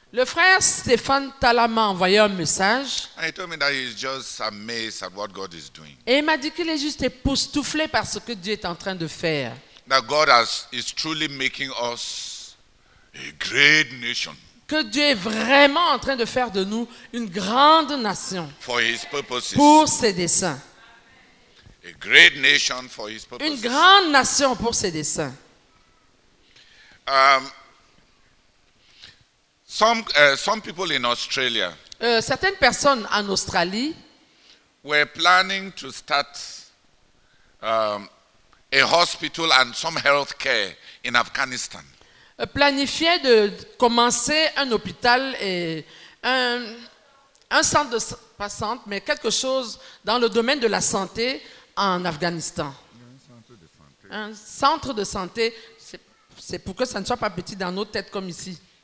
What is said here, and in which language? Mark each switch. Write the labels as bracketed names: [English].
[French] Le frère Stéphane Tala m'a envoyé un message. [English] And he told me that he's just amazed at what God is doing. [French] Et il m'a dit qu'il est juste époustouflé par ce que Dieu est en train de faire. [English] That God is truly making us a great nation. [French] Que Dieu est vraiment en train de faire de nous une grande nation [English] for his purposes. [French] Pour ses desseins. [English] A great nation for his purposes. [French] Une grande nation pour ses desseins. [English] Some people in Australia. [French] Certaines personnes en Australie. [English] Were planning to start a hospital and some healthcare in Afghanistan. [French] Planifiaient de commencer un hôpital et un centre de patiente, mais quelque chose dans le domaine de la santé en Afghanistan. Un centre de santé. Un centre de santé. C'est pour que ça ne soit pas petit dans nos têtes comme ici.